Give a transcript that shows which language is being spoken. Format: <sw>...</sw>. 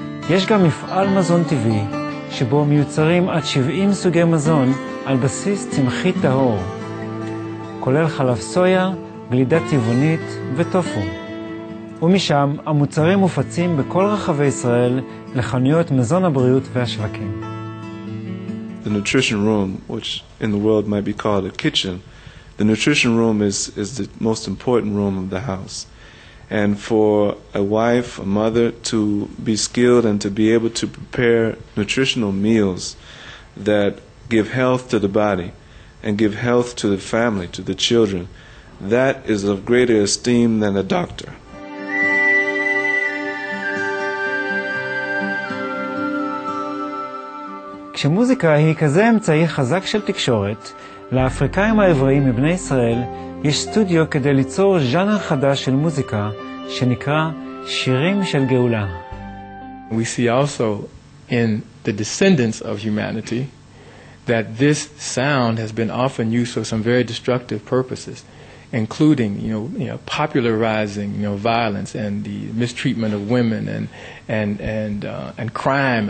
<he>יש גם מפעל מזון טבעי שבו מיוצרים עד 70 סוגי מזון על בסיס צמחי טהור, כולל חלב סויה, גלידה טבעונית וטופו. ומשם המוצרים מופצים בכל רחבי ישראל לחנויות מזון הבריאות והשווקים.</he> <en>The nutrition room, which in the world might be called a kitchen, the nutrition room is the most important room of the house. And for a wife, a mother, to be skilled and to be able to prepare nutritional meals that give health to the body and give health to the family, to the children, that is of greater esteem than a doctor.</en> <he>כשמוזיקה היא כזה אמצעי חזק של תקשורת, לאפריקאים העבריים מבני ישראל יש סטודיו כדי ליצור ז'אנר חדש של מוזיקה שנקרא שירים של גאולה.</he> <en>We see also in the descendants of humanity that this sound has been often used for some very destructive purposes. including popularizing violence and the mistreatment of women and crime.</en>